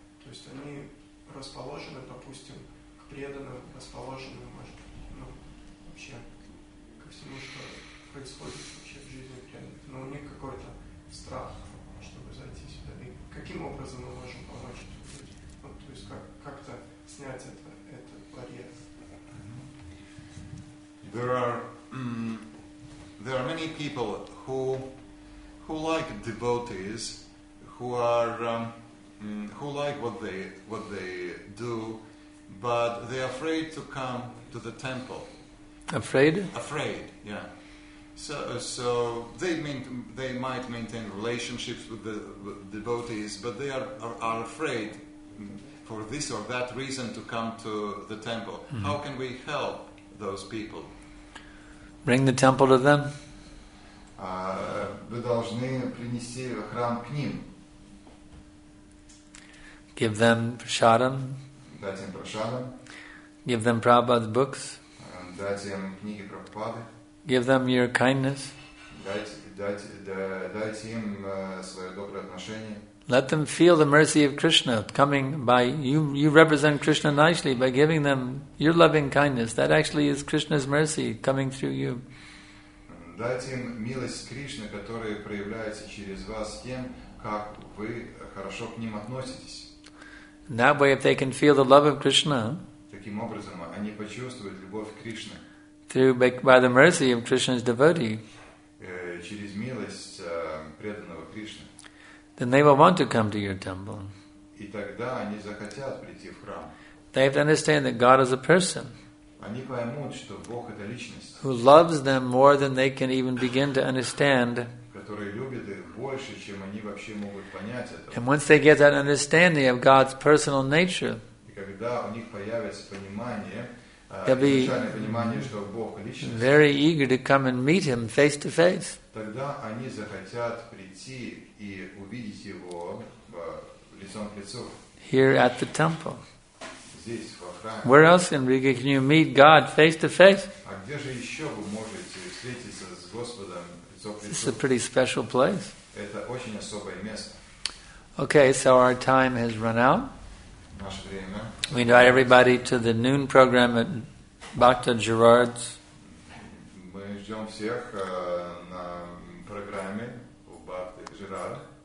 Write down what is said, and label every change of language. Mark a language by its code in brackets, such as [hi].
[ru] То есть они расположены, допустим, к преданным, расположены, может быть, ну, вообще ко всему, что происходит вообще в жизни преданных. Но у них какой-то страх, чтобы зайти сюда. И каким образом мы можем помочь этим людям? Вот, то есть как-то снять этот барьер? [en] There are many people who like devotees, who like what they do, but they're afraid to come to the temple. Afraid? Afraid, yeah. So they might maintain relationships with devotees, but they are afraid for this or that reason to come to the temple. Mm-hmm. How can we help those people? Bring the temple to them. [ru] Вы должны принести храм к ним. [en] Give them prasadam. [ru] Дать им прасадам. [en] Give them Prabhupada's books. [ru] Дать им книги Прабхупады. [en] Give them your kindness. [ru] Дайте им свое доброе отношение. [en] Let them feel the mercy of Krishna coming by you. You represent Krishna nicely by giving them your loving kindness. That actually is Krishna's mercy coming through you. [ru] Дайте им милость Кришны, которая проявляется через вас тем, как вы хорошо к ним относитесь. [en] That way, if they can feel the love of Krishna, [ru] таким образом, они почувствуют любовь Кришны. [en] Through by the mercy of Krishna's devotee. [ru] Через милость преданного Кришны. [en] Then they will want to come to your temple. [ru] И тогда они захотят прийти в храм. [en] They have to understand that God is a person. [ru] Они поймут, что Бог это личность. [en] Who loves them more than they can even begin to understand. [ru] Который любит их больше, чем они вообще могут понять это. [en] And once they get that understanding of God's personal nature, [ru] и когда у них появится понимание, изначальное понимание, что Бог личность, [en] very eager to come and meet Him face to face. [ru] Тогда они захотят прийти и увидеть Его лицом к лицу. [en] Here at the temple. [ru] Здесь, во храме. [en] Where else in Riga can you meet God face to face? [ru] А где же еще вы можете встретиться с Господом лицом к лицу? [en] This is a pretty special place. [ru] Это очень особое место. [en] Okay, so our time has run out. [ru] Наше время. [en] We invite everybody to the noon program at Bhakta Gerard's. [ru] Мы ждем всех на программе у Бхакти Джерарда.